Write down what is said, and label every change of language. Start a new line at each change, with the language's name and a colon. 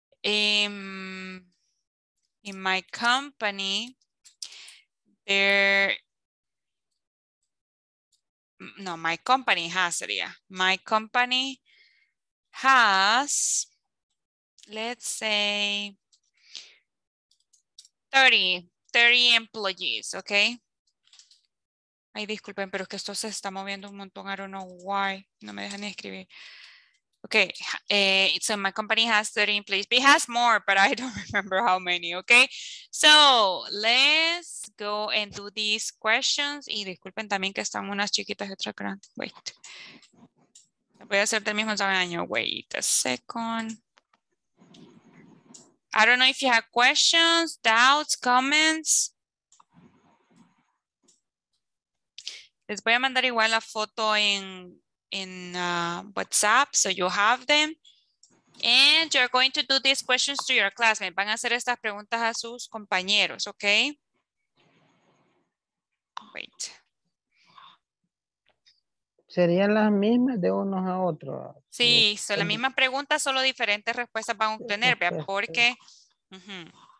English: In my company, my company has, let's say, 30 employees, okay?
Spanish: Ay, disculpen, pero es que esto se está moviendo un montón,
English: I don't know why,
Spanish: no me dejan ni escribir.
English: Okay, so my company has 30 employees. It has more, but I don't remember how many, okay? So let's go and do these questions.
Spanish: Y disculpen también que están unas chiquitas y otras grandes.
English: Wait.
Spanish: Voy a hacer del mismo tamaño.
English: Wait a second. I don't know if you have questions, doubts, comments.
Spanish: Les voy a mandar igual la foto
English: in WhatsApp, so you have them. And you're going to do these questions to your classmates.
Spanish: Van a hacer estas preguntas a sus compañeros, okay?
English: Wait.
Spanish: Serían las mismas de unos a otros. Sí, son las mismas preguntas, solo diferentes respuestas van a obtener, vea, porque. Uh-huh.